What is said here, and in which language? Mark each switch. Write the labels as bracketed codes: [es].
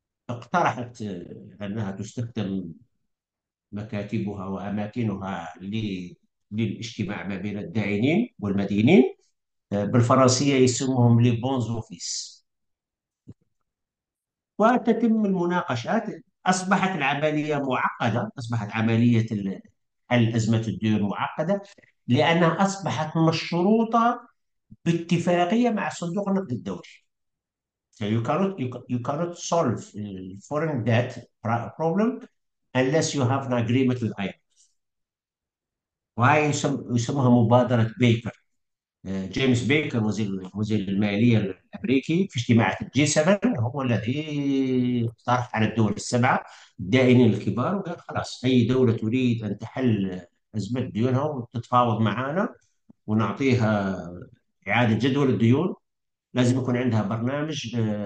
[ar] اقترحت أنها تستخدم مكاتبها وأماكنها للاجتماع ما بين الدائنين والمدينين، بالفرنسية يسموهم لي بونز أوفيس، وتتم المناقشات. أصبحت العملية معقدة، أصبحت عملية حل أزمة الديون معقدة لأنها أصبحت مشروطة باتفاقية مع صندوق النقد الدولي. [en] So you cannot solve foreign debt problem unless you have an agreement with IMF. [ar] وهي يسموها مبادرة بيكر. جيمس بيكر وزير المالية الأمريكي في اجتماعات الجي 7 هو الذي اقترح على الدول السبعة الدائنين الكبار وقال خلاص أي دولة تريد أن تحل أزمة ديونها وتتفاوض معنا ونعطيها إعادة جدول الديون لازم يكون عندها برنامج